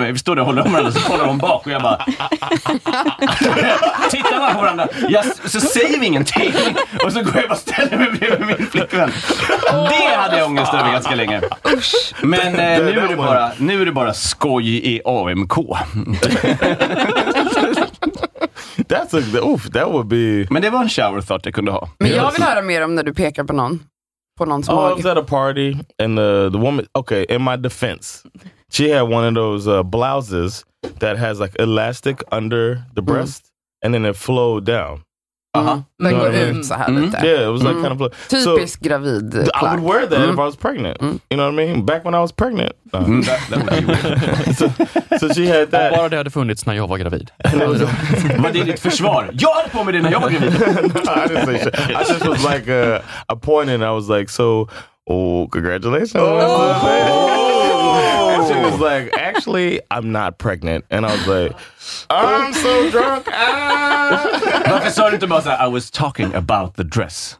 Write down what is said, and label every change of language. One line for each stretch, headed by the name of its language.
Swedish: Men vi står där och håller om henne och så kollar hon bak. Och jag bara... Tittar man på varandra, så säger vi ingenting. Och så går jag bara ställer mig bredvid min flickvän. Det hade jag ångest över ganska länge. Men nu är det bara skoj i AMK.
English: That's a, oof, that would be...
Swedish: Men det var en
English: shower thought
Swedish: jag kunde ha. Men jag vill höra mer om när du pekar på någon. På någon som
English: I was at a party, and the woman, okay, in my defense, she had one of those blouses that has like elastic under the breast. And then it flowed down.
Swedish: Den går ut så här lite.
English: Yeah, it was like kind of
Swedish: typisk so, gravid.
English: I would wear that if I was pregnant. You know what I mean? Back when I was pregnant. So she had that.
Swedish: Och bara det hade funnits när jag var gravid. Men det är ditt försvar. Jag hade på mig det när jag var gravid.
English: No, I didn't say shit. I just was like a point and I was like, so, oh, congratulations. Oh! She was like, actually, I'm not pregnant. And I was like, I'm so drunk.
Swedish: Varför sa du inte bara så här,
English: I was talking about the dress.